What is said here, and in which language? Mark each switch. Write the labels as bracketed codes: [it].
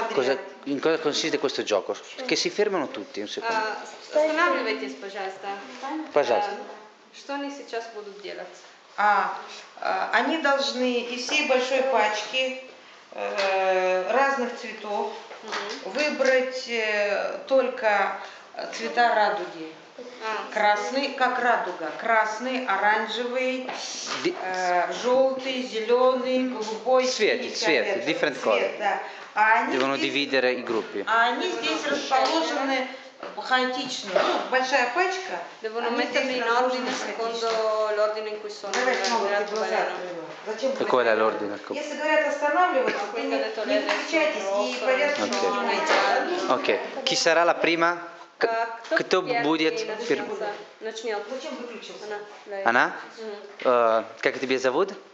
[it] cosa, in cosa consiste questo gioco, che si fermano tutti un secondo. [ru] Останавливайтесь, пожалуйста. Пожалуйста. Что они сейчас будут делать? А, они должны из всей большой пачки разных цветов выбрать только цвета радуги. Красный, как радуга. Красный, оранжевый, желтый, зеленый, голубой. Цвет, цвет, [en] different color. [ru] Да. [it] Devono dividere i gruppi. [ru] А они здесь расположены... Хаотично. Большая пачка. [it] Devono metterli in ordine secondo l'ordine in cui sono. E qual è l'ordine? [ru] Если говорят останавливаться, не включайтесь и порядочно. [it] Ok. Chi sarà la prima? [ru] Кто будет первым? Начнем. Зачем выключился? Она? Как тебя зовут?